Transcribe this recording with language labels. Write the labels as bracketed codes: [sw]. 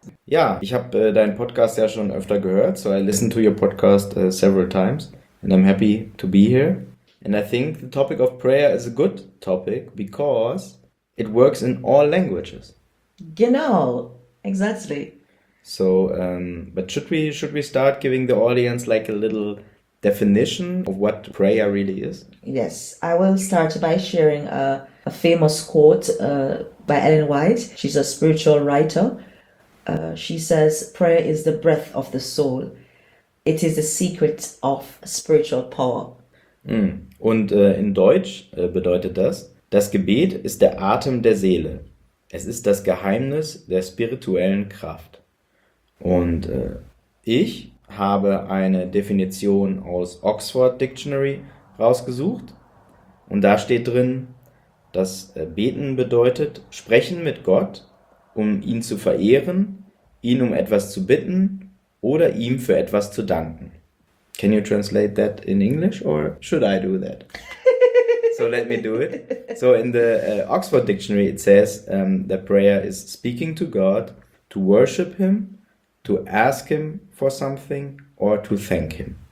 [de] Ja, ich habe deinen Podcast ja schon öfter gehört. [en] So I listened to your podcast several times and I'm happy to be here. And I think the topic of prayer is a good topic because it works in all languages. [de] Genau, [en] exactly. So, but should we start giving the audience like a little definition of what prayer really is? Yes, I will start by sharing a famous quote by Ellen White. She's a spiritual writer. She says, prayer is the breath of the soul. It is the secret of spiritual power. [de] Und in Deutsch bedeutet das, das Gebet ist der Atem der Seele. Es ist das Geheimnis der spirituellen Kraft. Und ich habe eine Definition aus Oxford Dictionary rausgesucht. Und da steht drin, dass Beten bedeutet, sprechen mit Gott, um ihn zu verehren, ihn um etwas zu bitten oder ihm für etwas zu danken. [en] Can you translate that in English or should I do that? So let me do it. So in the Oxford Dictionary, it says that prayer is speaking to God, to worship him, to ask him for something or to thank him.